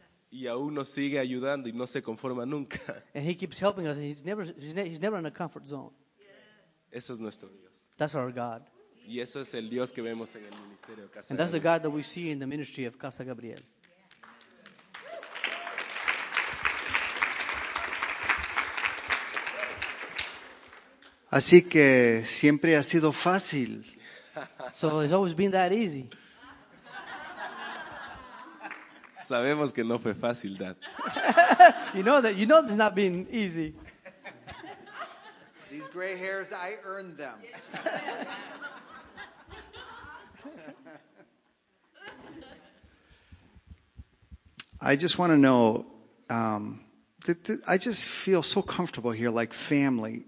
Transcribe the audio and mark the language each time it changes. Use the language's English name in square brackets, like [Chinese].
[Spanish] Y aún nos sigue ayudando y no se conforma nunca. [English] And he keeps helping us, and he's never in a comfort zone. [Spanish] Yes. Eso es nuestro Dios. [English] That's our God. [Spanish] Y eso es el Dios que vemos en el ministerio de Casa Gabriel. [English] And that's the God that we see in the ministry of Casa Gabriel. [Spanish] Así que siempre ha sido fácil. [English] So it's always been that easy. [Spanish] Sabemos que no fue fácil, Dad. [English] You know it's not been easy. These gray hairs, I earned them. I just want to know. I just feel so comfortable here, like family.